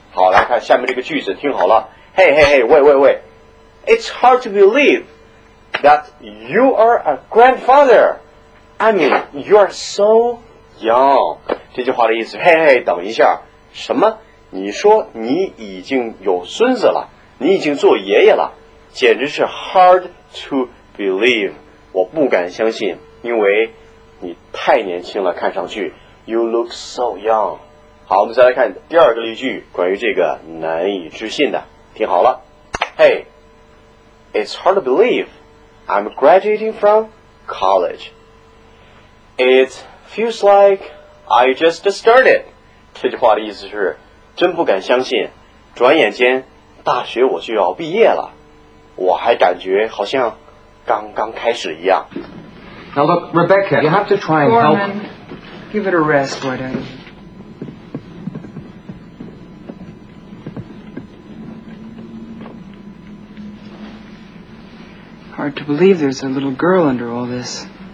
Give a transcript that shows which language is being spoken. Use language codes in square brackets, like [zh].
[zh] 好，来看下面这个句子，听好了。 [en] Hey, hey, hey, wait, wait, wait. It's hard to believe that you are a grandfather. I mean, you are so young. [zh] 这句话的意思，嘿嘿，等一下，什么？你说你已经有孙子了，你已经做爷爷了，简直是 [en] hard to believe. [zh] 我不敢相信，因为你太年轻了，看上去 [en] you look so young. [zh] 好，我们再来看第二个例句，关于这个难以置信的，听好了。 [en] Hey, it's hard to believe. I'm graduating from college. It feels like I just started. [zh] 这句话的意思是真不敢相信，转眼间大学我就要毕业了，我还感觉好像刚刚开始一样。 [en] Now look, Rebecca, you have to try and help. Give it a rest, why don't you? Hard to believe there's a little girl under all this.